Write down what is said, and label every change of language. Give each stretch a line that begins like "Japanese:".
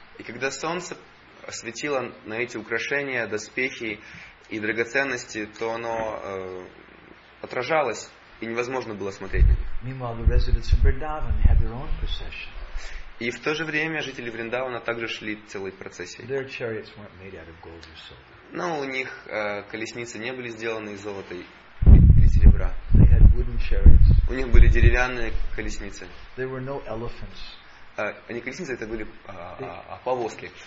Russian: И когда солнце светило на эти украшения, доспехи и драгоценности, то оно отражалось. И невозможно было смотреть на них.
English: Meanwhile, the residents of Vrindavan had their own procession.
Russian: И в то же время жители Вриндавана также шли целой процессией.
English: Their chariots weren't made out of gold or silver.
Russian: Но у них колесницы не были сделаны из золота или серебра.
English: They had wooden chariots.
Russian: У них были деревянные колесницы.
English: There were no elephants.
Russian: Они колесницы, это были повозки.